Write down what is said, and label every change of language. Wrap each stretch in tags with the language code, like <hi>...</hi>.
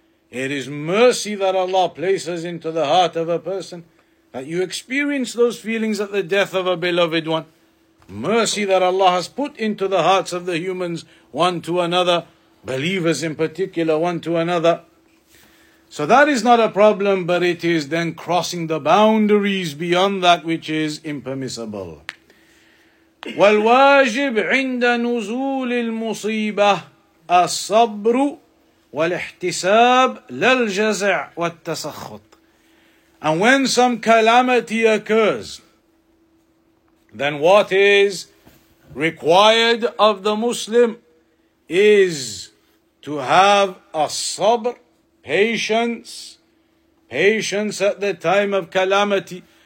<en>It is mercy that Allah places into the heart of a person that you experience those feelings at the death of a beloved one. Mercy that Allah has put into the hearts of the humans, one to another, believers in particular, one to another. So that is not a problem, but it is then crossing the boundaries beyond that which is impermissible.</en> <ar>والواجب عند نزول المصيبة الصبر والاحتساب للجزع والتسخط.</ar> <en>And when some calamity occurs, then what is required of the Muslim is to have a sabr, patience at the time of calamity.</en>